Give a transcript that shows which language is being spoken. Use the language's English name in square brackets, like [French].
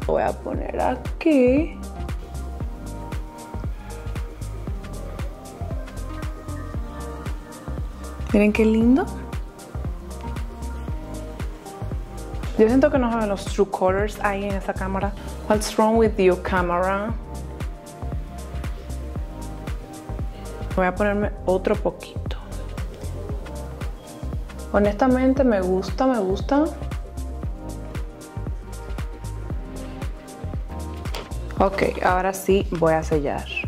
[Spanish] Lo voy a poner aquí. Miren qué lindo. Yo siento que no saben los [English] true colors [Spanish] ahí en esa cámara. [English] What's wrong with your camera? [Spanish] Voy a ponerme otro poquito. Honestamente me gusta, me gusta. Ok, ahora sí voy a sellar.